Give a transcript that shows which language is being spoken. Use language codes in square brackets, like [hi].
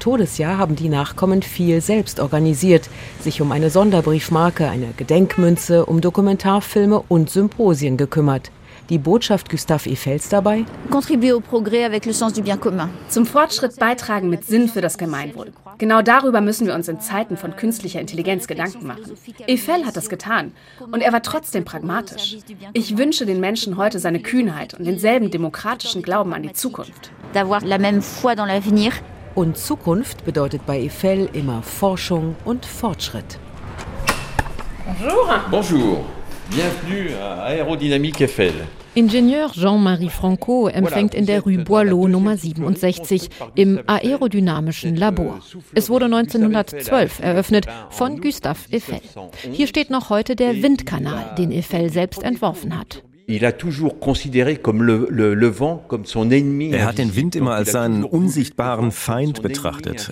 [de] Todesjahr haben die Nachkommen viel selbst organisiert, sich um eine Sonderbriefmarke, eine Gedenkmünze, um Dokumentarfilme und Symposien gekümmert. Die Botschaft Gustav Eiffels dabei? [fr] Contribuer au progrès avec le sens du bien commun. [de] Zum Fortschritt beitragen mit Sinn für das Gemeinwohl. Genau darüber müssen wir uns in Zeiten von künstlicher Intelligenz Gedanken machen. Eiffel hat das getan und er war trotzdem pragmatisch. Ich wünsche den Menschen heute seine Kühnheit und denselben demokratischen Glauben an die Zukunft. [fr] D'avoir la même foi dans l'avenir. [de] Und Zukunft bedeutet bei Eiffel immer Forschung und Fortschritt. [fr] Bonjour. Bonjour. Bienvenue à Aérodynamique Eiffel. [de] Ingenieur Jean-Marie Franco empfängt in der Rue Boileau Nummer 67 im aerodynamischen Labor. Es wurde 1912 eröffnet von Gustave Eiffel. Hier steht noch heute der Windkanal, den Eiffel selbst entworfen hat. Er hat den Wind immer als seinen unsichtbaren Feind betrachtet.